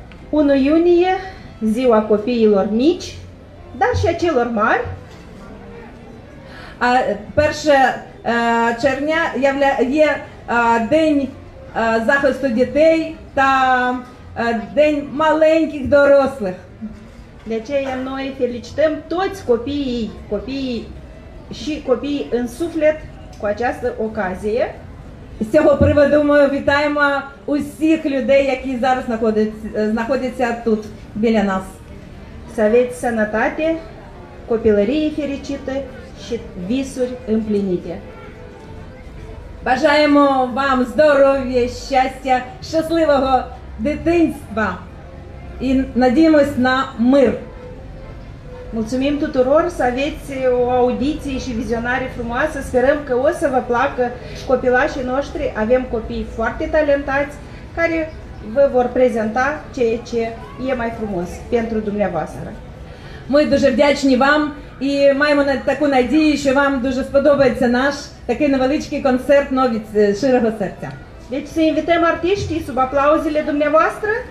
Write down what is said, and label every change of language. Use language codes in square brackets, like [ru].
[ro] 1 iunie, ziua copiilor mici, dar și a celor mari. [uk] Перше червня є день захисту дітей та день маленьких дорослих. [ro] De aceea noi felicităm toți copiii și copiii în suflet cu această ocazie. [uk] З цього приводу ми вітаємо усіх людей, які зараз знаходяться тут біля нас. [ro] Savete sănătate, copilărie fericită și visuri împlinite. [uk] Бажаємо вам здоров'я, щастя, щасливого дитинства і надіємось на мир. [ro] Mulțumim tuturor să aveți o audiție și vizionare frumoasă. Sperăm că o să vă placă copilașii noștri. Avem copii foarte talentați care vă vor prezenta ceea ce e mai frumos pentru dumneavoastră. [uk] Ми дуже вдячні вам і маємо таку надію, що вам дуже сподобається наш такий невеличкий концерт від щирого серця. [ro] Deci să invităm artiștii sub aplauzele dumneavoastră.